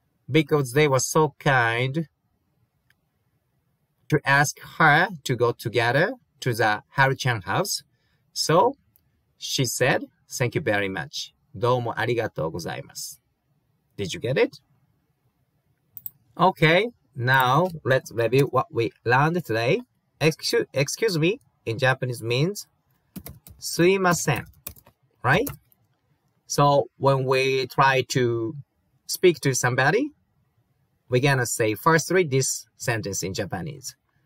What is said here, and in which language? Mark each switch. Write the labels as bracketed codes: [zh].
[en] Because they were so kind to ask her to go together to the Haru-chan house. So she said, thank you very much. [ja] どうもありがとうございます。 [en] Did you get it? Okay, now let's review what we learned today. Excuse me, in Japanese means すいません, right? So when we try to speak to somebody, we're gonna say, first read this sentence in Japanese.